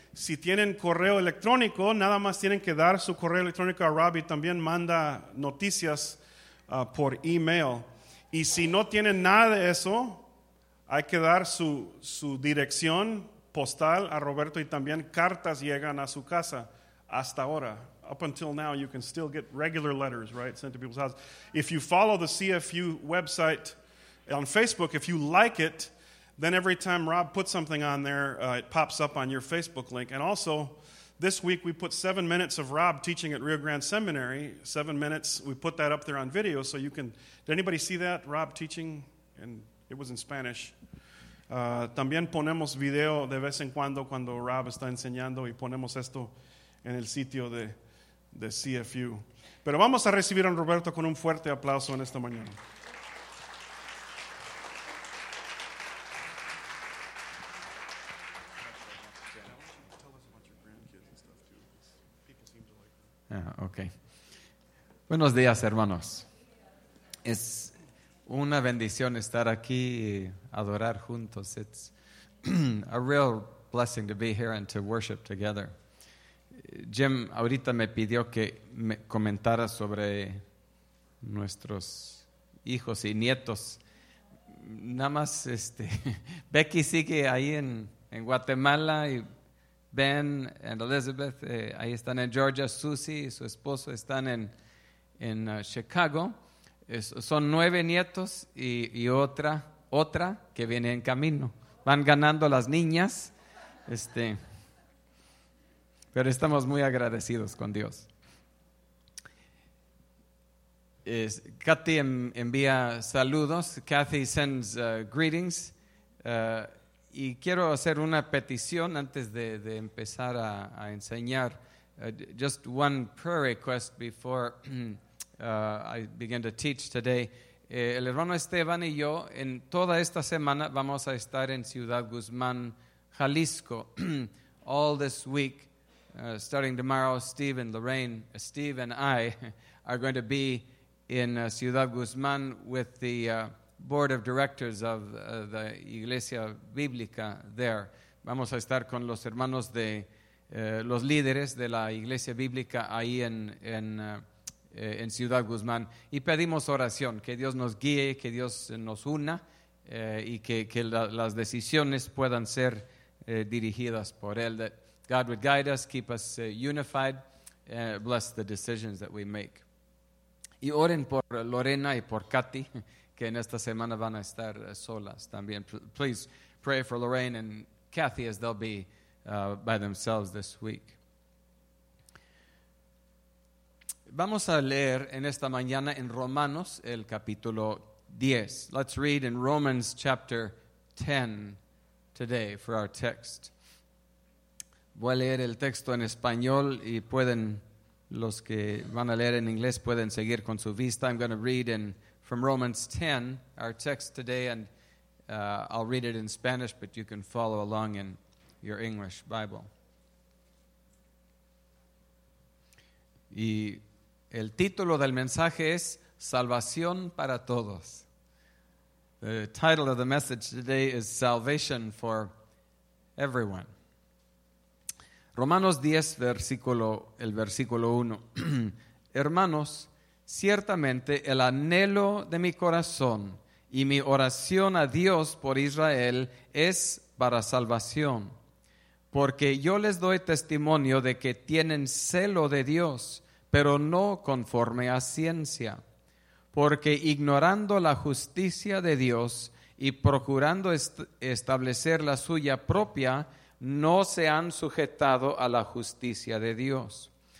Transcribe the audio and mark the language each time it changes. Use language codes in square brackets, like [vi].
[es] Si tienen correo electrónico, nada más tienen que dar su correo electrónico a Rob y también manda noticias por email. Y si no tienen nada de eso, hay que dar su dirección postal a Roberto y también cartas llegan a su casa hasta ahora. [en] Up until now, you can still get regular letters, right, sent to people's houses. If you follow the CFU website on Facebook, if you like it, then every time Rob puts something on there, it pops up on your Facebook link. And also, this week we put 7 minutes of Rob teaching at Rio Grande Seminary. 7 minutes, we put that up there on video so you can... Did anybody see that, Rob teaching? And it was in Spanish. [es] También ponemos video de vez en cuando Rob está enseñando y ponemos esto en el sitio de CFU. Pero vamos a recibir a Roberto con un fuerte aplauso en esta mañana. Okay. Buenos días, hermanos. Es una bendición estar aquí y adorar juntos. [en] It's a real blessing to be here and to worship together. [es] Jim ahorita me pidió que me comentara sobre nuestros hijos y nietos. Nada más Becky sigue ahí en Guatemala y Ben and Elizabeth, ahí están en Georgia. Susie y su esposo están en Chicago. Son 9 nietos y otra que viene en camino. Van ganando las niñas. Pero estamos muy agradecidos con Dios. Kathy envía saludos. [en] Kathy sends greetings. [es] Y quiero hacer una petición antes de empezar a enseñar. [en] Just one prayer request before I begin to teach today. [es] El hermano Esteban y yo, en toda esta semana, vamos a estar en Ciudad Guzmán, Jalisco. [en] All this week, starting tomorrow, Steve and I are going to be in Ciudad Guzmán with the... Board of Directors of the Iglesia Bíblica there. [es] Vamos a estar con los hermanos de los líderes de la Iglesia Bíblica ahí en Ciudad Guzmán. Y pedimos oración, que Dios nos guíe, que Dios nos una y que las decisiones puedan ser dirigidas por Él. [en] That God would guide us, keep us unified, and bless the decisions that we make. [es] Y oren por Lorena y por Katy, que en esta semana van a estar solas también. [en] Please pray for Lorraine and Kathy as they'll be by themselves this week. [es] Vamos a leer en esta mañana en Romanos el capítulo 10. [en] Let's read in Romans chapter 10 today for our text. [es] Voy a leer el texto en español y pueden, los que van a leer en inglés pueden seguir con su vista. [en] I'm going to read in from Romans 10, our text today, and I'll read it in Spanish, but you can follow along in your English Bible. [es] Y el título del mensaje es Salvación para Todos. [en] The title of the message today is Salvation for Everyone. [es] Romanos 10, versículo 1. Hermanos, ciertamente el anhelo de mi corazón y mi oración a Dios por Israel es para salvación, porque yo les doy testimonio de que tienen celo de Dios, pero no conforme a ciencia, porque ignorando la justicia de Dios y procurando establecer la suya propia, no se han sujetado a la justicia de Dios.